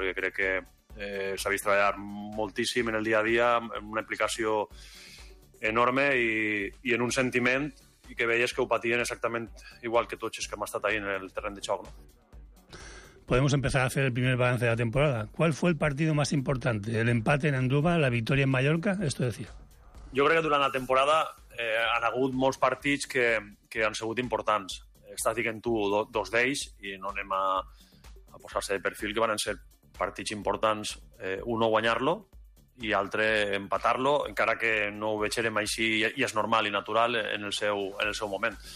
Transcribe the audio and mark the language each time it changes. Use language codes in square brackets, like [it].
[ca] Perquè crec que s'ha vist treballar moltíssim en el dia a dia amb una implicació enorme i en un sentiment i que veies que ho patien exactament igual que tots els que hem estat ahí en el terreny de xoc, no? [es] Podemos empezar a hacer el primer balance de la temporada. ¿Cuál fue el partido más importante? ¿El empate en Anduba, la victoria en Mallorca? Esto decía. [ca] Jo crec que durant la temporada han hagut molts partits que han sigut importants. Estàs dient tu dos d'ells i no anem a posar-se de perfil que van ser partits importants. Uno, guanyar-lo, i altre empatar-lo, encara que no ho veixerem així i és normal i natural en el seu moment.